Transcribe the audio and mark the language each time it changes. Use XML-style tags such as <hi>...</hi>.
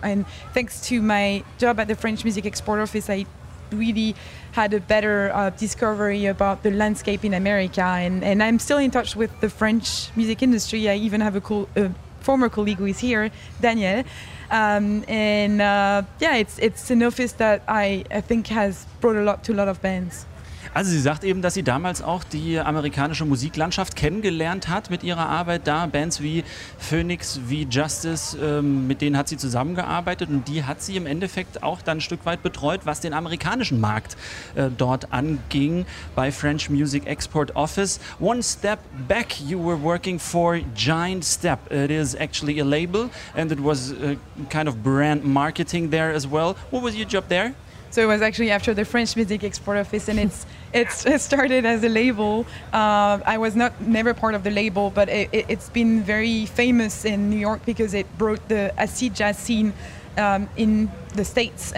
<en>And thanks to my job at the French Music Export Office, I really had a better discovery about the landscape in America, and I'm still in touch with the French music industry. I even have a former colleague who is here, Daniel. It's an office that I think has brought a lot to a lot of bands.</en> <de>Also sie sagt eben, dass sie damals auch die amerikanische Musiklandschaft kennengelernt hat mit ihrer Arbeit da. Bands wie Phoenix, wie Justice, mit denen hat sie zusammengearbeitet und die hat sie im Endeffekt auch dann ein Stück weit betreut, was den amerikanischen Markt dort anging bei French Music Export Office.</de> <en>One step back, you were working for Giant Step. It is actually a label and it was kind of brand marketing there as well. What was your job there? So it was actually after the French Music Export Office, and it started as a label. I was never part of the label, but it's been very famous in New York because it brought the acid jazz scene in the States.</en>